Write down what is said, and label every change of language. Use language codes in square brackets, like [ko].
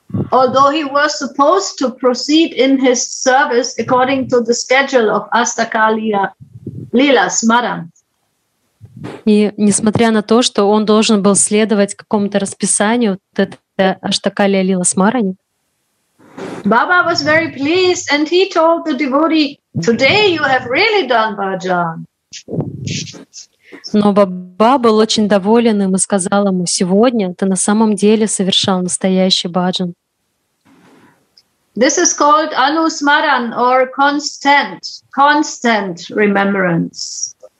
[en] Although he was supposed to proceed in his service according to the schedule of Astakalila Lila Smaran. [ru] И несмотря на то, что он должен был следовать какому-то расписанию вот это Аштакалия Лила Смарани. [en] Baba was very pleased and he told the devotee, "Today you have really done bhajan." [ru] Но Баба был очень доволен им и сказал ему, сегодня ты на самом деле совершал настоящий баджан. [en] This is called anusmaran or constant remembrance.